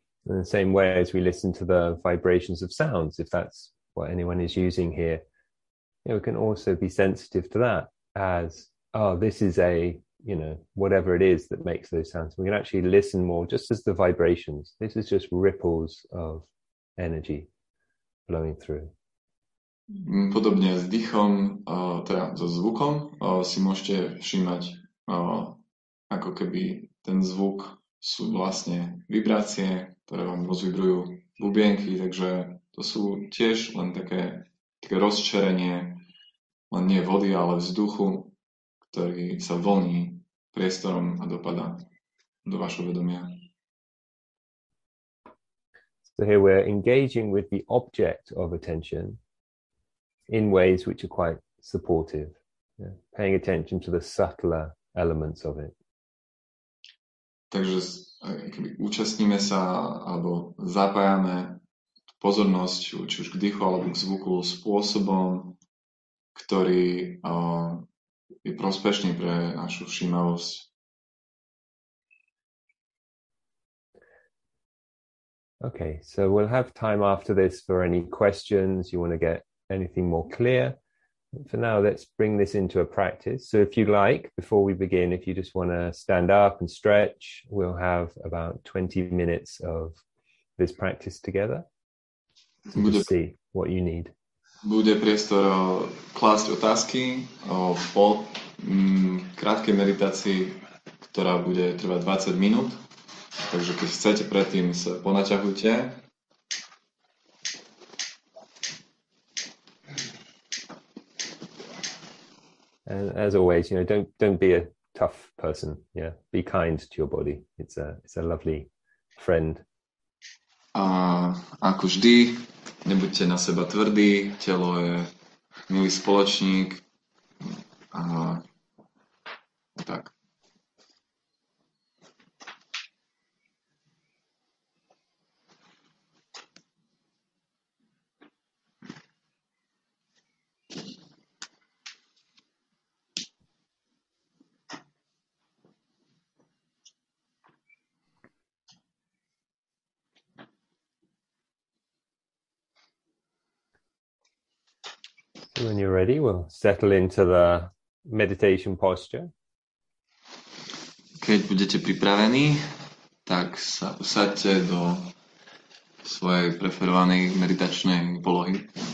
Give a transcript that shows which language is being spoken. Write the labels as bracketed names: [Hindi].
[English] In the same way as we listen to the vibrations of sounds, if that's what anyone is using here, you know, we can also be sensitive to that as, oh, this is a you know, whatever it is that makes those sounds. We can actually listen more, just as the vibrations. This is just ripples of energy flowing through. [Slovak] Podobne s dýchom, teda so zvukom, si môžete všímať, ako keby ten zvuk sú vlastne vibrácie, ktoré vám rozvibrujú bubienky, takže to sú tiež len také rozčerenie, len nie vody, ale vzduchu, ktorý sa voní priestorom a dopadá do vašho vedomia. [English] So here we're engaging with the object of attention in ways which are quite supportive, yeah, paying attention to the subtler elements of it. [Slovak] Takže účastníme sa alebo zapájame pozornosť či už k dýchu alebo k zvuku spôsobom, ktorý je prospešný pre našu všímavosť. [English] Okay, so we'll have time after this for any questions, you want to get anything more clear. For now, let's bring this into a practice. So if you like, before we begin, if you just want to stand up and stretch, we'll have about 20 minutes of this practice together. So [Slovak] bude, [English] just see what you need. [Slovak] Bude priestor klásť otázky po krátkej meditácii, ktorá bude trvať 20 minút. Takže keď chcete, predtým sa ponaťahujte. [English] And as always, you know, don't be a tough person. Yeah, be kind to your body. It's a lovely friend. [Slovak] Ako vždy, nebuďte na seba tvrdý. Telo je milý spoločník. Tak. [English] When you're ready, we'll settle into the meditation posture. [Slovak] Keď budete pripravení, tak sa usaďte do svojej preferovanej meditačnej polohy.